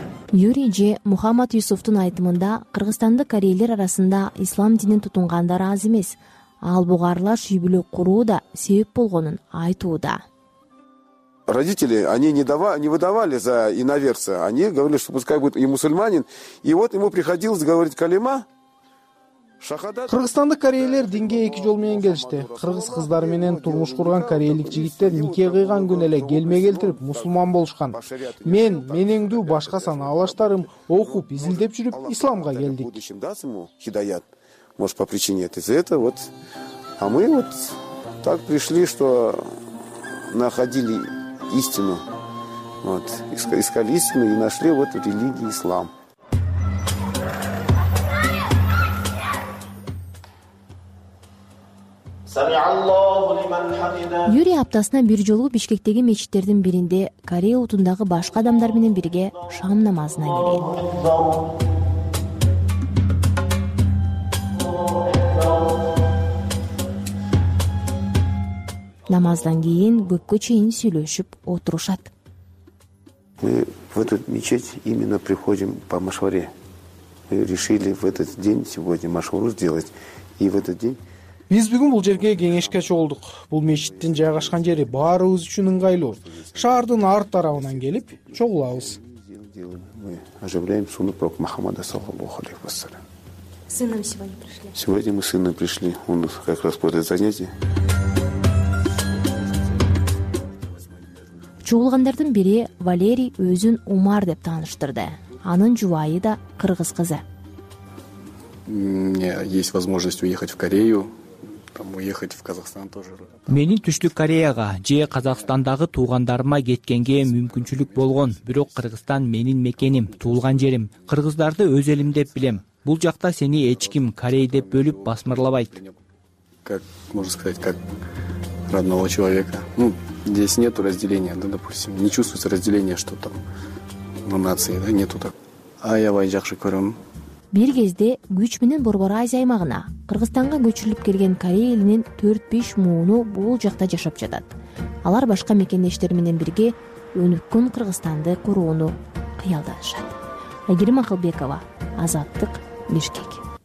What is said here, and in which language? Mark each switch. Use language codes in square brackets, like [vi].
[ky] Юрий же Мухаммад Юсуфтун айтымында кыргызстандык корейлер арасында ислам динин тутунгандар аз эмес. Ал буга аралаш үй-бүлө куруу да себеп болгонун айтууда. [ru] Родители, они не выдавали за иноверца. Они говорили, что пускай будет и мусульманин. И вот ему приходилось говорить калима. [ky] Кыргызстандык корейлер динге эки жол менен келишти. Кыргыз кыздары менен турмуш курган корейлик жигиттер нике кыйган күн эле келме келтирип мусулман болушкан. Мен, менеңдүү башка санаалаштарым окуп, изилдеп жүрүп исламга келдик. [ar] Хидаят. [ru] Может, по причине это вот. А мы вот так пришли, что находили истину. Вот. Искали истину и нашли вот религию ислам. [ky] Юрий аптасына бир жолу Бишкектеги мечиттердин биринде Корея утундагы башка адамдар менен бирге шам намазына келет. Намаздан кийин көпкө чейин сүйлөшүп отурушат. [ru] Мы в эту мечеть именно приходим по машваре. Мы решили в этот день сегодня машвару сделать. И в этот день [ky] биз бүгүн бул жерге кеңешке чогулдук. Бул мечиттин жайгашкан жери баарыбыз үчүн ыңгайлуу. Шаардын ар тарабынан келип чогулабыз. [ru] Мы оживляем сунну пророк Мухаммада [ar] саллаллаху алейхи ва саллям. [ru] Сыном сегодня пришли. Сегодня мы с сыном пришли. Он как раз после занятий. [ky] Чогулгандардын бири Валерий өзүн Умар деп тааныштырды. Анын жубайы да кыргыз кызы. [ru] Мне есть возможность уехать в Корею. Там уехать в Казахстан тоже. [ky] Менин Түштүк Кореяга же Казакстандагы туугандарыма кеткенге мүмкүнчүлүк болгон, бирок Кыргызстан менин мекеним, туулган жерим. Кыргыздарды өз элим деп билем. Бул жакта сени эч ким Корей деп бөлүп басмырлабайт. [ru] Как можно сказать, как родного человека. Ну, здесь нету разделения, да, допустим. Не чувствуется разделение, что там на нации, да, нету так. [ky] Аябай жакшы көрөм. Бир кезде күч менен Борбор Азия аймагына Кыргызстанга көчүрүлүп келген Корей элинин 4-5 мууну бул жакта жашап жатат. Алар башка мекендештер менен бирге өнүккөн Кыргызстанды курууну кыялданышат. Айгерим Акылбекова, Азаттык, Бишкек.